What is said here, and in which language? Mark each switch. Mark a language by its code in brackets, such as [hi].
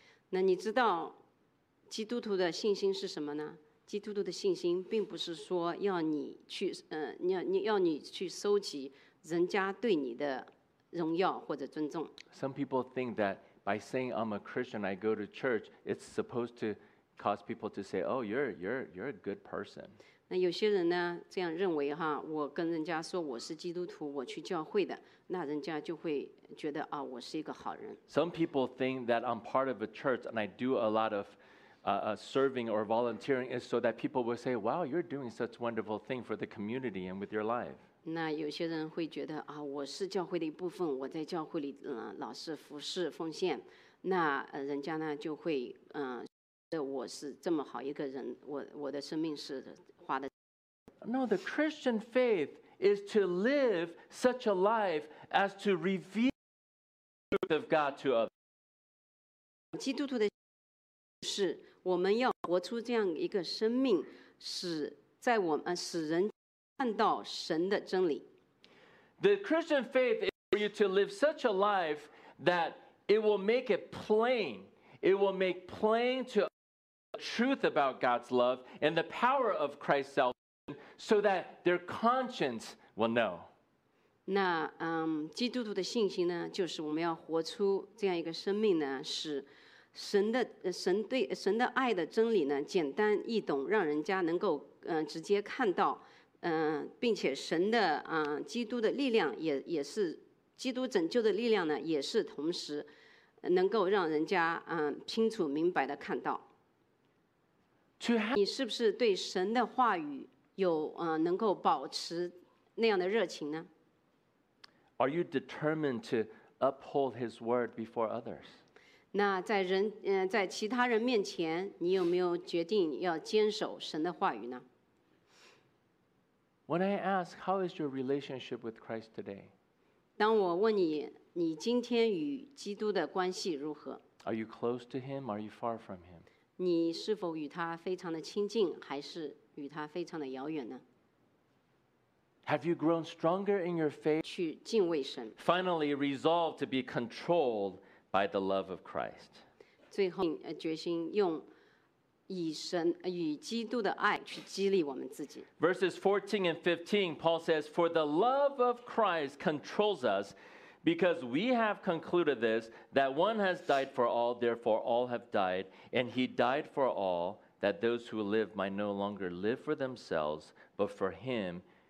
[zh] 那你知道基督徒的信心是什么呢？基督徒的信心并不是说要你去，要你去收集人家对你的荣耀或者尊重。 [en] Some people think that by saying I'm a Christian, I go to church, it's supposed to cause people to say, oh, you're a good person. [zh] 那有些人呢，这样认为哈，我跟人家说我是基督徒，我去教会的，那人家就会觉得啊，我是一个好人。 [en] Some people think that I'm part of a church and I do a lot of serving or volunteering is so that people will say, "Wow, you're doing such wonderful thing for the community and with your life." [zh] 那有些人会觉得啊，我是教会的一部分，我在教会里老是服侍奉献，那人家呢就会觉得我是这么好一个人，我的生命是。 [en] No, the Christian faith is to live such a life as to reveal the truth of God to others. [zh] 基督徒的是我们要活出这样一个生命，使在我们使人看到神的真理。 [en] The Christian faith is for you to live such a life that it will make it plain. It will make plain to others. Truth about God's love and the power of Christ's salvation, so that their conscience will know. [zh] 那基督徒的信心呢，就是我们要活出这样一个生命呢，使神的神对神的爱的真理呢，简单易懂，让人家能够直接看到，并且神的基督的力量也是基督拯救的力量呢，也是同时能够让人家清楚明白的看到。你是不是对神的话语有能够保持那样的热情呢？ [en] Are you determined to uphold His word before others? [zh] 那在人在其他人面前，你有没有决定要坚守神的话语呢？ [en] When I ask, how is your relationship with Christ today? [zh] 当我问你，你今天与基督的关系如何？ [en] Are you close to Him? Are you far from Him? [zh] 你是否与他非常的亲近，还是与他非常的遥远呢？ [en] Have you grown stronger in your faith? [zh] 去敬畏神。 [en] Finally, resolve to be controlled by the love of Christ. [zh] 最后决心用以神与基督的爱去激励我们自己。 [en] Verses 14 and 15, Paul says, "For the love of Christ controls us, because we have concluded this: that one has died for all, therefore all have died, and he died for all, that those who live might no longer live for themselves, but for him."